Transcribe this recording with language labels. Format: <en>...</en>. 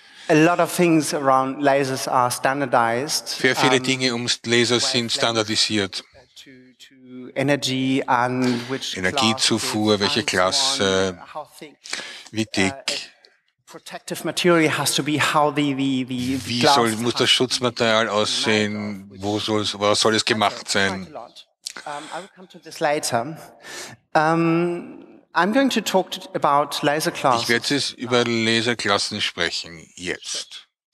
<en>A lot of things around lasers are standardized.</en> <de>Sehr viele Dinge ums Laser sind standardisiert. Energiezufuhr, welche Klasse, wie dick.</de> <en>Protective material has to be how</en> <de>wie soll, muss das Schutzmaterial aussehen? Wo soll es, was soll es gemacht sein?</de> <en>I will come to this later. I'm going to talk about laser classes.</en> <de>Ich werde jetzt über Laserklassen sprechen, jetzt.</de>